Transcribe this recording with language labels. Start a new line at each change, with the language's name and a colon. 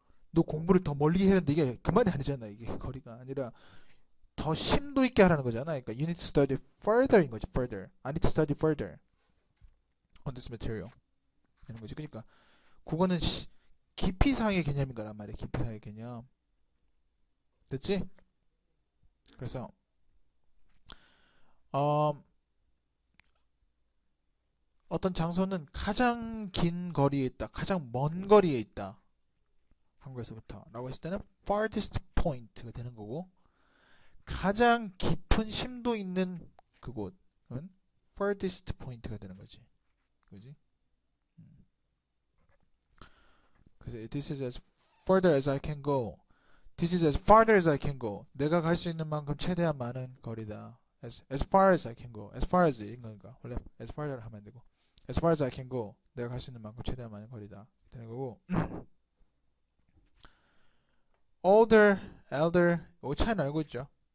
Korean: 너 공부를 더 멀리 해야 되는데 이게 그 말이 아니잖아. 이게 거리가 아니라 더 심도 있게 하라는 거잖아. 그러니까
English: you need to study further인 거지. further. I need to study further on this material.
Korean: 이런 거지. 그러니까 그거는 깊이상의 개념인 거란 말이야. 깊이상의 개념. 됐지? 그래서 어떤 장소는 가장 긴 거리에 있다. 가장 먼 거리에 있다. 한국에서부터라고 했을 때는
English: farthest point
Korean: 가 되는 거고, 가장 깊은 심도 있는 그곳은
English: furthest point
Korean: 가 되는 거지. 그지?
English: 그래서 this is as further as I can go. This is as farther as I can go.
Korean: 내가 갈수 있는 만큼 최대한 많은 거리다.
English: As far as I can go. As far as
Korean: 이런 거니까 원래
English: as farther
Korean: 하면 되고,
English: as far as I can go.
Korean: 내가 갈수 있는 만큼 최대한 많은 거리다 되는 거고. older, elder, 이거 차이는 알고 있죠?